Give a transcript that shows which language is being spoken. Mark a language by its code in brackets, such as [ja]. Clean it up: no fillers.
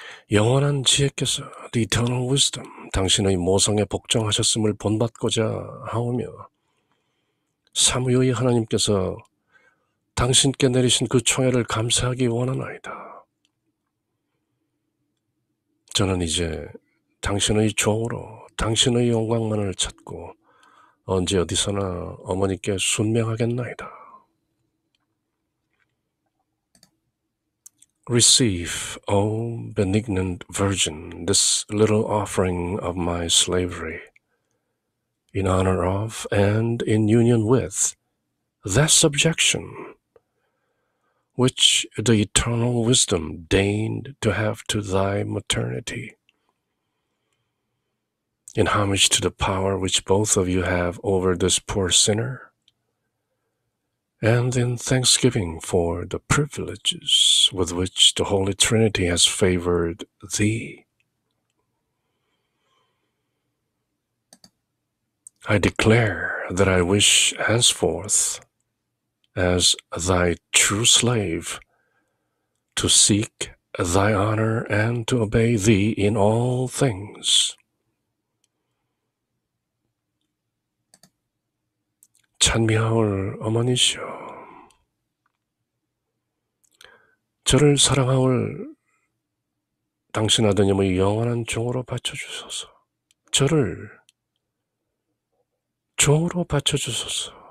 [ko] 영원한 지혜께서 [en] The Eternal Wisdom, [ko] 당신의 모성에 복종하셨음을 본받고자 하오며 사무요의 하나님께서 당신께 내리신 그 총애를 감사하기 원하나이다. 저는 이제 당신의 종으로 당신의 영광만을 찾고 언제 어디서나 어머니께 순명하겠나이다. [en] "Receive, O benignant Virgin, this little offering of my slavery, in honor of and in union with that subjection which the eternal wisdom deigned to have to thy maternity, in homage to the power which both of you have over this poor sinner, and in thanksgiving for the privileges with which the Holy Trinity has favored thee, I declare that I wish henceforth, as thy true slave, to seek thy honor and to obey thee in all things. [ko] 찬미하올 어머니시여, 저를 사랑하올 당신 아드님의 영원한 종으로 바쳐주소서. 저를 종으로 바쳐주소서.